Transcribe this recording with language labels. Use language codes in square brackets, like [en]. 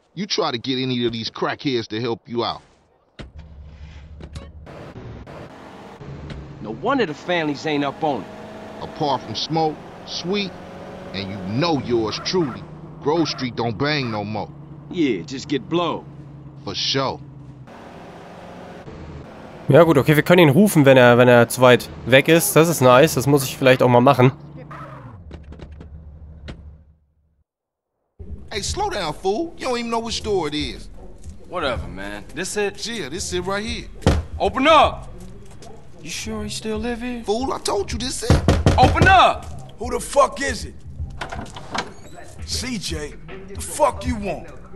[en] You try to get any of these crackheads to help you out. No wonder the families ain't up on it. Apart from Smoke, Sweet, and you know yours truly, Grove Street don't bang no more. Yeah, just get blow. For sure. [de] Ja gut, okay, wir können ihn rufen, wenn er zu weit weg ist. Das ist nice, das muss ich vielleicht auch mal machen. [en] Hey, slow down, fool. You don't even know which door it is. Whatever, man. This it? Yeah, this it right here. Open up! You sure he still live here? Fool, I told you this it. Open up! Who the fuck is it? CJ, the fuck you want?